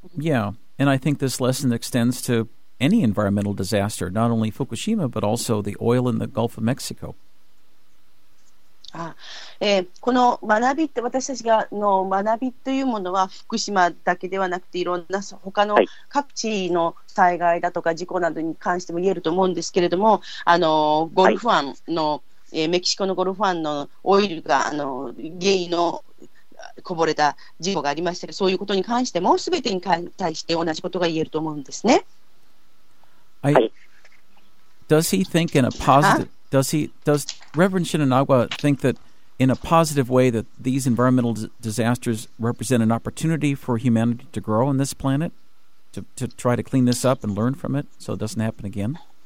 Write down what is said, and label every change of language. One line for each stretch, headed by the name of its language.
English: Yeah, and I think this lesson extends to any environmental disaster, not only Fukushima, but also the oil in the Gulf of Mexico.
Japanese: この学びって私たちがの学びというものは福島だけではなくていろんな他の各地の災害だとか事故などに関しても言えると思うんですけれどもゴルフ湾の、はい、メキシコのゴルフ湾のオイルが原因のこぼれた事故がありましたがそういうことに関しても全てに対して同じことが言えると思うんですね。はい。
English: Does he think in a positive Does Reverend Shinagawa think that in a positive way that these environmental disasters represent an opportunity for humanity to grow on this planet, to try to clean this up and learn from it so it doesn't happen again?